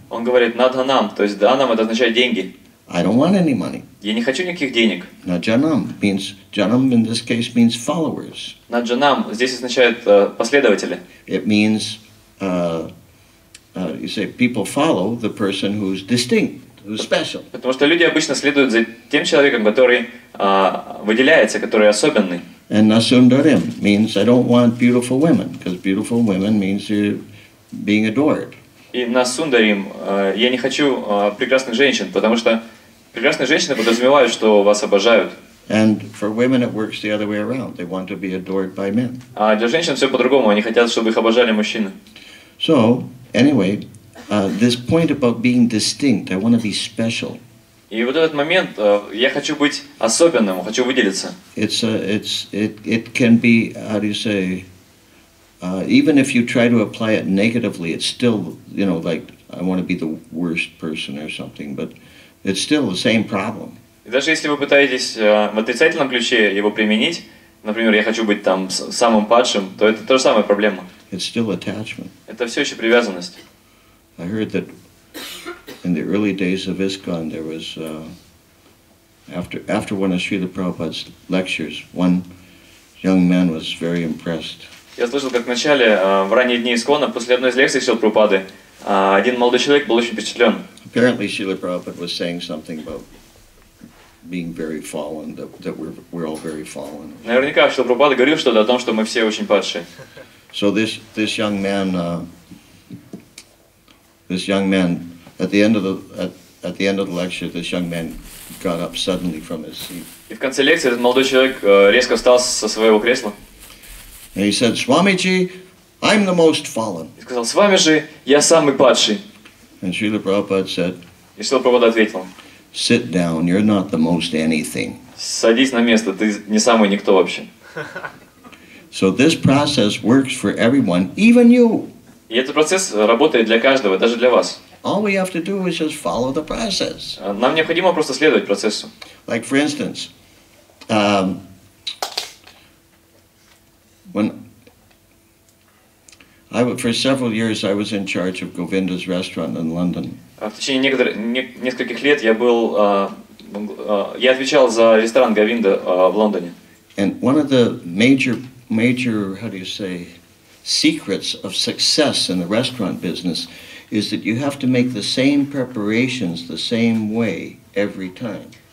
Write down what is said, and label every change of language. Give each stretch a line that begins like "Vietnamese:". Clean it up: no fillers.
Russian: Он говорит, na danam, то есть данам, это означает деньги.
English: I don't want any money.
Russian: Я не хочу никаких денег.
English: Na janam means, janam in this case means followers.
Russian: На джанам здесь означает последователи.
English: It means, you say, people follow the person who's distinct.
Russian: Потому что люди обычно следуют за тем человеком, который выделяется, который особенный.
English: And nasundarim means I don't want beautiful women, because beautiful women means you're being adored.
Russian: И nasundarim я не хочу прекрасных женщин, потому что прекрасные женщины подразумевают, что вас обожают.
English: And for women it works the other way around. They want to be adored by men.
Russian: А для женщин все по-другому. Они хотят, чтобы их обожали мужчины.
English: So anyway. This point about being distinct, I want to be special.
Russian: И вот этот момент, я хочу быть особенным, хочу выделиться.
English: It can be, how do you say, even if you try to apply it negatively, it's still, you know, like, I want to be the worst person or something, but it's still the same problem.
Russian: И даже если вы пытаетесь в отрицательном ключе его применить, например, я хочу быть там самым падшим, то это та же самая проблема.
English: It's still attachment.
Russian: Это все еще привязанность.
English: I heard that in the early days of ISKCON, there was after one of Srila Prabhupada's lectures, one young man was very impressed.
Russian: Я слышал, как в начале в ранние дни ИСККОНа после одной из лекций Шрилы Прабхупады один молодой человек был очень впечатлен.
English: Apparently, Srila Prabhupada was saying something about being very fallen, that we're all very fallen.
Russian: Наверняка Шрила Прабхупада говорил что-то о том, что мы все очень падшие.
English: So this young man. This young man, at the end of the lecture, this young man got up suddenly from his seat.
Russian: И в конце лекции этот молодой человек резко встал со своего кресла.
English: And he said, "Swamiji, I'm the most fallen."
Russian: И сказал: "Свамиджи, я самый падший."
English: And Srila Prabhupada said,
Russian: И Шрила Прабхупада ответил:
English: "Sit down. You're not the most anything."
Russian: Садись на место. Ты не самый никто вообще.
English: So this process works for everyone, even you.
Russian: И этот процесс работает для каждого, даже для вас.
English: All we have to do is just follow the process.
Russian: Нам необходимо просто следовать процессу.
English: Like for instance, for several years I was in charge of Govinda's restaurant in London.
Russian: В течение нескольких лет я был, я отвечал за ресторан Говинда в Лондоне.
English: And one of the major, how do you say? Secrets of success in the restaurant business is that you have to make the same preparations the same way every time.